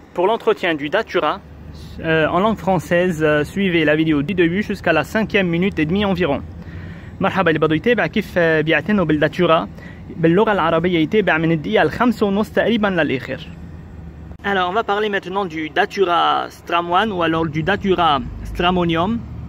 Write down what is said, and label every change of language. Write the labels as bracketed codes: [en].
[fr] Pour l'entretien du Datura, En langue française, suivez la vidéo du début jusqu'à la 5e minute et demie environ. [ar] مرحبا اللي بدو يتابع كيف بيعتنوا بالداتورا باللغة العربية يتابع من الدقيقة الخمسة ونص تقريبا للآخر. [fr] Alors, on va parler maintenant du Datura Stramoan ou alors du Datura Stramonium.